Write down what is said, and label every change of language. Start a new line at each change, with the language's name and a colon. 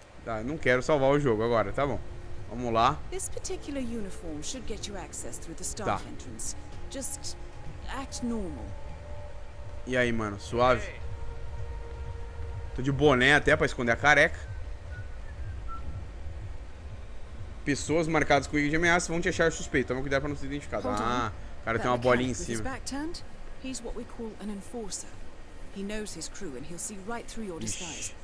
Portuguese: Tá, não quero salvar o jogo agora, tá bom. Vamos lá.
English: This particular uniform should get you access through the staff entrance. Just act normal.
Portuguese: E aí, mano, suave? Tô de boné até pra esconder a careca. Pessoas marcadas com ícone de ameaça vão te achar suspeito. Toma cuidado pra não ser identificado. Ah, o cara tem uma bolinha em cima.
English: He's what we call an enforcer. He knows his crew and he'll see right through your disguise.